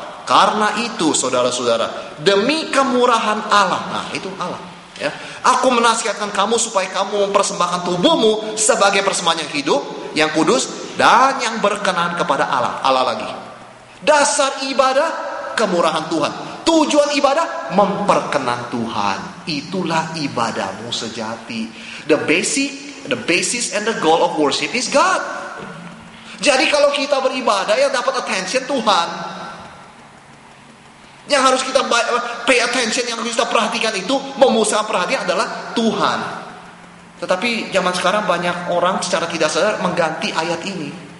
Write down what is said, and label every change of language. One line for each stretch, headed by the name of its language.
Indonesian: Karena itu, saudara-saudara, demi kemurahan Allah, nah itu Allah, ya, aku menasihatkan kamu supaya kamu mempersembahkan tubuhmu sebagai persembahan yang hidup, yang kudus, dan yang berkenan kepada Allah. Allah lagi. Dasar ibadah, kemurahan Tuhan. Tujuan ibadah, memperkenan Tuhan. Itulah ibadahmu sejati.
English: The basis and the goal of worship is God.
Indonesian: Jadi kalau kita beribadah, yang dapat attention Tuhan, yang harus kita
English: pay attention,
Indonesian: yang harus kita perhatikan itu, memusatkan perhatian adalah Tuhan. Tetapi zaman sekarang banyak orang secara tidak sadar mengganti ayat ini.